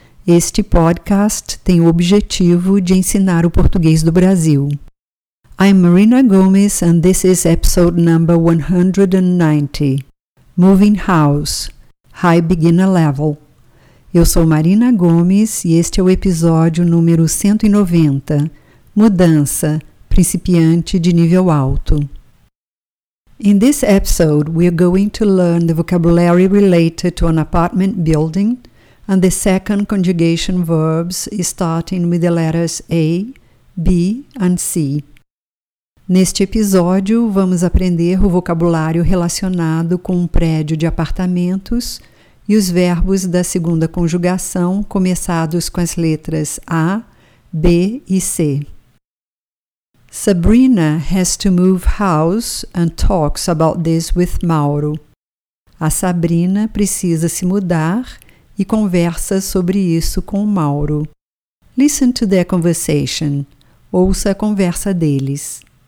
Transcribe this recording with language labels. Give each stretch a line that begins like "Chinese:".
Portuguese: Este podcast tem o objetivo de ensinar o português do Brasil.
English: I'm Marina Gomes and this is episode number 190. Moving House, High Beginner Level.
Portuguese: Eu sou Marina Gomes e este é o episódio número 190, Mudança, Principiante de Nível Alto.
English: In this episode, we are going to learn the vocabulary related to an apartment building and the second conjugation verbs starting with the letters A, B and C.
Portuguese: Neste episódio, vamos aprender o vocabulário relacionado com um prédio de apartamentos e os verbos da segunda conjugação começados com as letras A, B e C.
English: Sabrina has to move house and talks about this with Mauro.
Portuguese: A Sabrina precisa se mudar e conversa sobre isso com o Mauro.
English: Listen to their conversation.
Portuguese: Ouça a conversa deles.